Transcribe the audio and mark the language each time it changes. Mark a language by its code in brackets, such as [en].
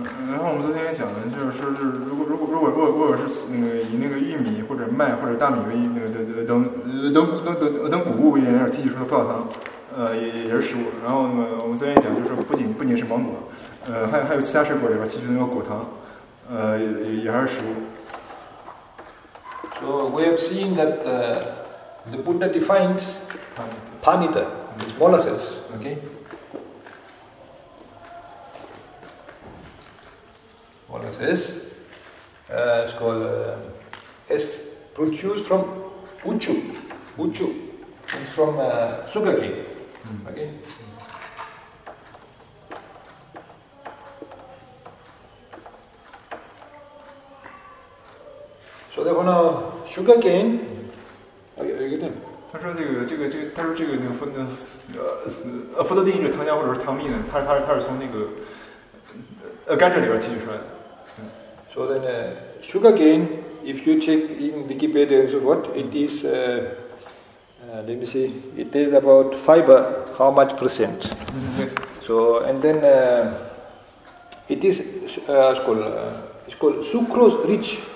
[zh] 然后我们昨天也讲了，就是如果是那个以那个玉米或者麦或者大米为那个等谷物为原料提取出的葡萄糖，也是食物。然后那个我们昨天也讲，就是说不仅是芒果，还有其他水果里边提取那个果糖，也还是食物。 [en] So we have seen that the Buddha defines panita is molasses, okay. Molasses is called is produced from uchu It's from sugar cane. Okay. So therefore now sugar cane. [zh] 他说这个，他说这个那个佛得定义是糖浆或者是糖蜜呢？他是从那个甘蔗里边提取出来的。 [en] So then, sugar cane, if you check in Wikipedia and so forth, it is, let me see, it is about fiber, how much percent. Yes. So, and then, it is, it's called sucrose rich.